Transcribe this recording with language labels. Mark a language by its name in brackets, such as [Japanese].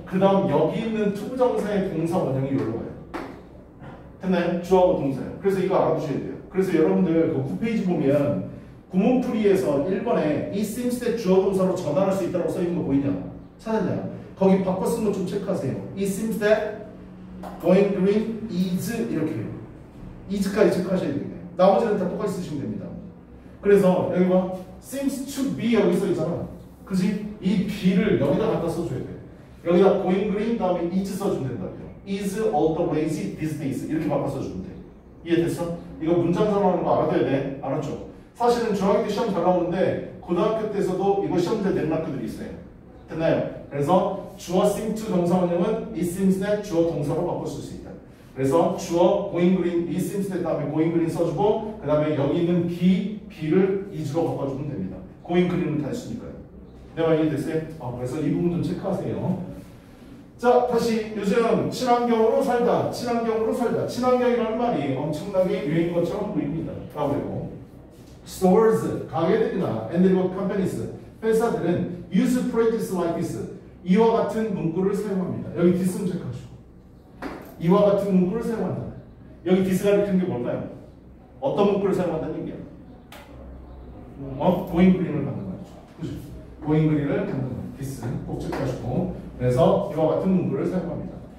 [Korean] 그 다음 여기 있는 투부정사의 동사원형이 일로 와요. 됐나요? 주어하고 동사예요. 그래서 이거 알아두셔야 돼요. 그래서 여러분들 그 9페이지 보면 구문풀이에서 1번에 [English] It seems that [Korean] 주어 동사로 전환할 수 있다고 써있는 거 보이냐? 찾았냐? 거기 바꿔 쓴 거 좀 체크하세요. [English] It seems that Going green is [Korean] 이렇게 해요. is까지 체크하셔야 되겠네. 나머지는 다 똑같이 쓰시면 됩니다. 그래서 여기 봐. seems to be 여기 써 있잖아. 그치? 이 be를 여기다 갖다 써줘야 돼. 여기다 going green 다음에 is 써준다고요. [English] is all the rage these days [Korean] 이렇게 바꿔 써주면 돼. 이해됐어? 이거 문장 전환하는 거 알아둬야 돼. 알았죠? 사실은 중학교 때 시험 잘 나오는데 고등학교 때에서도 이거 시험 잘 낸 학교들이 있어요. 됐나요? 그래서 주어 seem to 동사원형은 [English] it seems that [Korean] 주어 동사로 바꿀 수 있다. 그래서 주어 going green, [English] it seems that [Korean] 다음에 going green 써주고 그 다음에 여기 있는 be, be를 is로 바꿔주면 됩니다. going green은 다 했으니까요. 내가 이해됐어요? 그래서 이 부분 좀 체크하세요. 자, 다시 요즘 친환경으로 살다, 친환경으로 살다. 친환경이라는 말이 엄청나게 유행인 것처럼 보입니다. 라고요. [English] Stores, [Korean] 가게들이나 [English] and what companies, [Korean] 회사들은 [English] use phrases like this. [Korean] 이와 같은 문구를 사용합니다. 여기 this는 체크하시고 이와 같은 문구를 사용한다. 여기 this가 이렇게 게 뭘까요? 어떤 문구를 사용한다는 얘기야? going green을 만든 거죠. 그죠? going green을 만든 거죠. this 꼭 체크하시고 그래서 이와 같은 문구를 사용합니다.